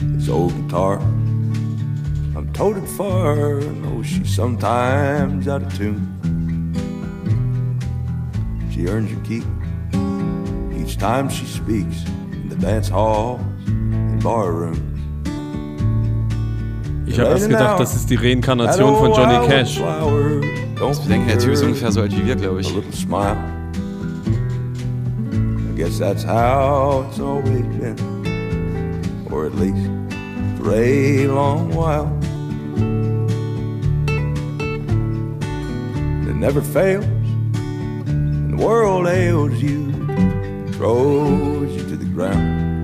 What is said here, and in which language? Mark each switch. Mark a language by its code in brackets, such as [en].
[en] Old guitar, I'm toting far. Oh, she's sometimes out of tune. She earns her keep each time she speaks in the dance halls and bar rooms. [de] Ich habe erst gedacht, das ist die Reinkarnation von Johnny Cash. Ich denke, der Typ ist ungefähr so alt wie wir, glaube ich. [en] A little smile. I guess that's how it's always been, or at least. For a long while, it never fails, and the world ails you, throws you to the ground.